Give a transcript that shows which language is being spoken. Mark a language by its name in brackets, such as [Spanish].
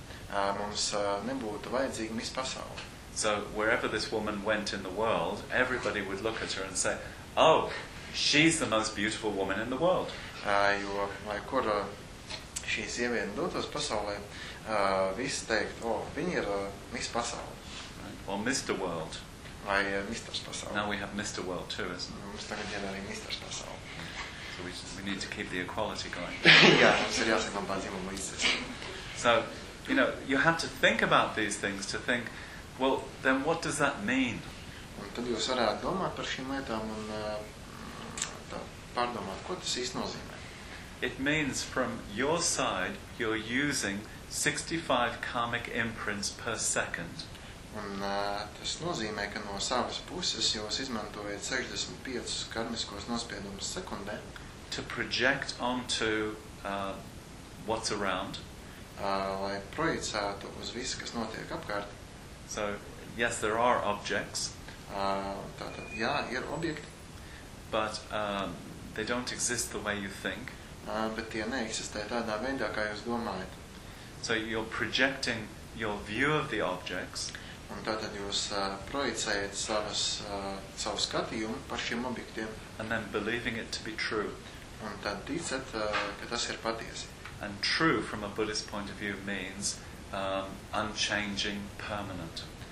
[Latvian] Mums nebūtu vajadzīga Miss Pasaule. [English] So wherever this woman went in the world, everybody would look at her and say, "Oh, she's the most beautiful woman in the world." [Latvian] Jo, lai kur šī sieviete dotos pasaulē, visi teikt, "Oh, viņa ir Miss Pasaule." [English] Right. Or Mr. World. [Latvian] Vai Mr. Pasaule. [English] Now we have Mr. World too, isn't it? [Latvian] Mums tagad ir arī Mr. Pasaule. [English] So we need to keep the equality going. [Latvian] Jā, mums ir jāsakam pārdzīvumu līdzies. [English] So, you know, you have to think about these things to think, well, then what does that mean? [Latvian] Un tad jūs varētu domāt par šīm lietām un tā, pārdomāt, ko tas īsti nozīmē. [English] It means from your side you're using 65 karmic imprints per second. [Latvian] Un tas nozīmē, ka no savas puses jūs izmantojat 65 karmiskos nospiedumus sekundē. [English] To project onto what's around. [Latvian] Lai projicētu uz visu, kas notiek apkārt. [English] So, yes, there are objects. [Latvian] Tātad, jā, ir objekti. [English] But they don't exist the way you think. [Latvian] Bet tie neeksistē tādā veidā, kā jūs domājat. [English] So you're projecting your view of the objects. [Latvian] Un tātad jūs projicējat savu skatījumu par šiem objektiem. [English] And then believing it to be true. [Latvian] Un tad ticat, ka tas ir patiesi. [English] And true from a Buddhist point of view means unchanging, permanent.